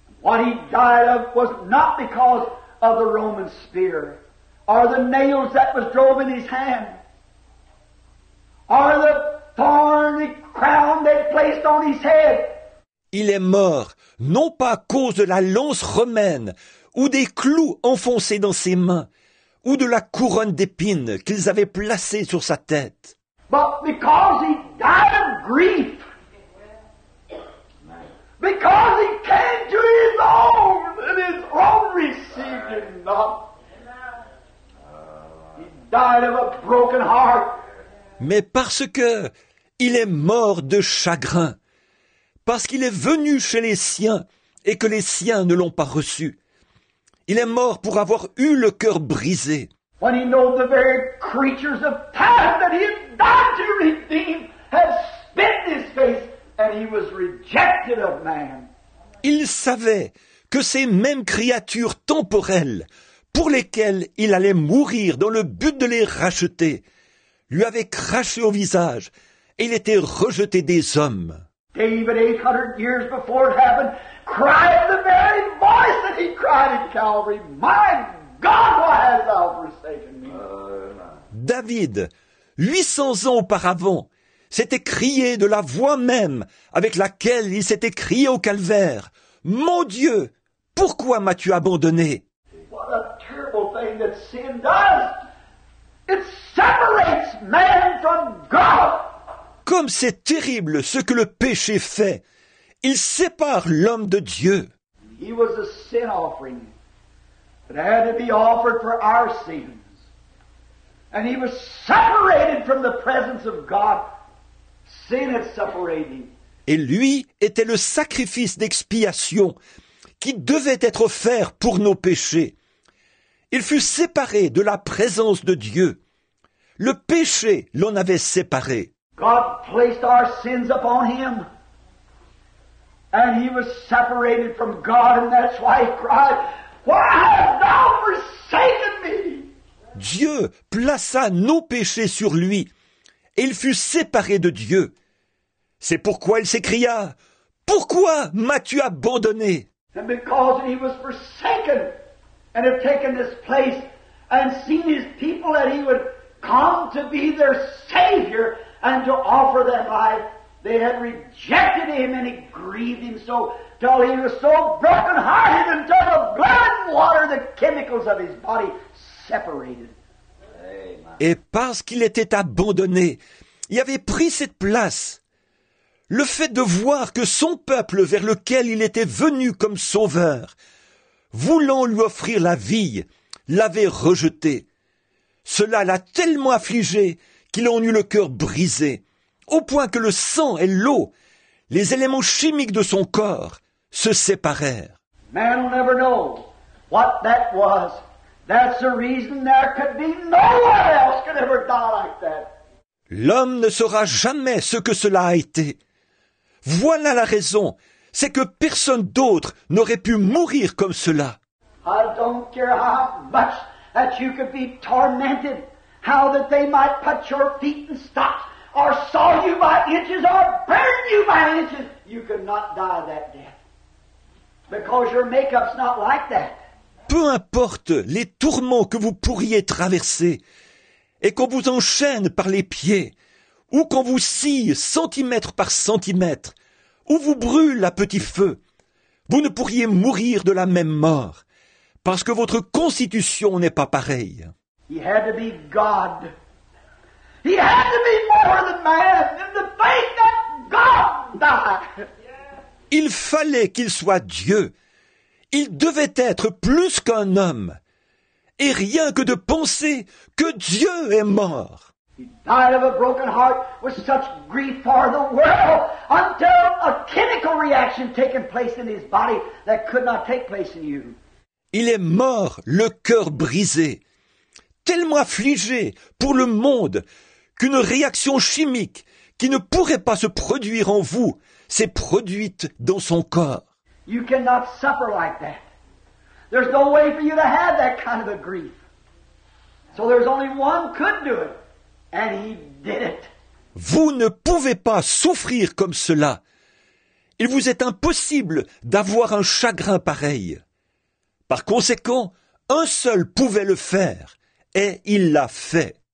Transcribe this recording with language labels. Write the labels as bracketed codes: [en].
[en] What he died of was not because of the Roman spear, or the nails that was drove in his hand, or the thorn the crown they placed on his head. [fr] Il est mort, non pas à cause de la lance romaine, ou des clous enfoncés dans ses mains, ou de la couronne d'épines qu'ils avaient placée sur sa tête. [en] But because he died of grief. Because he came to his own, and his own received him not. He died of a broken heart. [fr] Mais parce que il est mort de chagrin, parce qu'il est venu chez les siens et que les siens ne l'ont pas reçu. Il est mort pour avoir eu le cœur brisé. [en] When he knows the very creatures of time that he had died to redeem have spit in his face and he was rejected of man. [fr] Il savait que ces mêmes créatures temporelles pour lesquelles il allait mourir dans le but de les racheter lui avaient craché au visage et il était rejeté des hommes. [en] David, 800 years before it happened, cried the very voice that he cried in Calvary, "My God, why hast thou forsaken me?" [fr] David, 800 ans auparavant, s'était crié de la voix même avec laquelle il s'était crié au calvaire, « Mon Dieu, pourquoi m'as-tu abandonné ?» [en] What a terrible thing that sin does. It separates man from God. [fr] Comme c'est terrible ce que le péché fait. Il sépare l'homme de Dieu. [en] He was a sin offering that had to be offered for our sins. And he was separated from the presence of God. Sin had separated him. [fr] Et lui était le sacrifice d'expiation qui devait être offert pour nos péchés. Il fut séparé de la présence de Dieu. Le péché l'en avait séparé. [en] God placed our sins upon him. And he was separated from God, and that's why he cried, "Why hast thou forsaken me?" [fr] Dieu plaça nos péchés sur lui, et il fut séparé de Dieu. C'est pourquoi il s'écria, "Pourquoi m'as-tu abandonné?" [en] And because he was forsaken, and had taken this place, and seen his people, that he would come to be their savior, and to offer them life. They had rejected him and he grieved him so till he was so broken hearted until the blood and water, the chemicals of his body separated. [fr] Et parce qu'il était abandonné, il avait pris cette place. Le fait de voir que son peuple vers lequel il était venu comme sauveur, voulant lui offrir la vie, l'avait rejeté. Cela l'a tellement affligé qu'il en eut le cœur brisé. Au point que le sang et l'eau, les éléments chimiques de son corps, se séparèrent. [en] Man will never know what that was. That's the reason there could be no one else could ever die like that. [fr] L'homme ne saura jamais ce que cela a été. Voilà la raison, c'est que personne d'autre n'aurait pu mourir comme cela. [en] I don't care how much that you could be tormented, how that they might put your feet in stocks. Or saw you by inches, or burn you by inches, you could not die that death. Because your makeup's not like that. [fr] Peu importe les tourments que vous pourriez traverser, et qu'on vous enchaîne par les pieds, ou qu'on vous scie centimètre par centimètre, ou vous brûle à petit feu, vous ne pourriez mourir de la même mort, parce que votre constitution n'est pas pareille. [en] He had to be God. He had to be more than man in the faith that God died. [fr] Il fallait qu'il soit Dieu. Il devait être plus qu'un homme. Et rien que de penser que Dieu est mort. [en] He died of a broken heart with such grief for the world until a chemical reaction taken place in his body that could not take place in you. [fr] Il est mort le cœur brisé, tellement affligé pour le monde qu'une réaction chimique qui ne pourrait pas se produire en vous s'est produite dans son corps. [en] You cannot suffer like that. There's no way for you to have that kind of a grief. So there's only one could do it, and he did it. [fr] Vous ne pouvez pas souffrir comme cela. Il vous est impossible d'avoir un chagrin pareil. Par conséquent, un seul pouvait le faire, et il l'a fait.